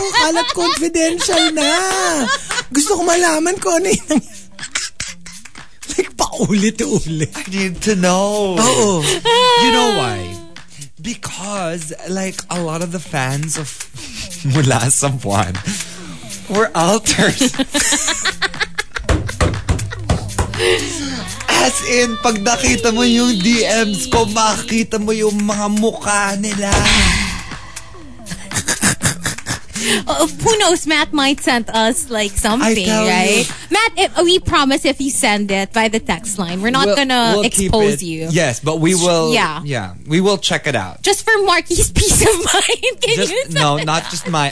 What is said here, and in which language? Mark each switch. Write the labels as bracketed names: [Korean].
[Filipino] Alat confidential na. Gusto ko malaman ko ano yun. [English] Like, paulit-ulit. I need to know. [Filipino] Oo. [English] You know why? Because, like, a lot of the fans of Mula Sampuan were altered. [Filipino] As in, pag nakita mo yung DMs ko, makita mo yung mga mukha nila. [English] Who knows? Matt might send us like something, right? Matt, we promise if you send it by the text line, we're not gonna expose you. Yes, but we will. Yeah. Yeah. We will check it out. Just for Marky's peace of mind. Can you send it? No, not just my.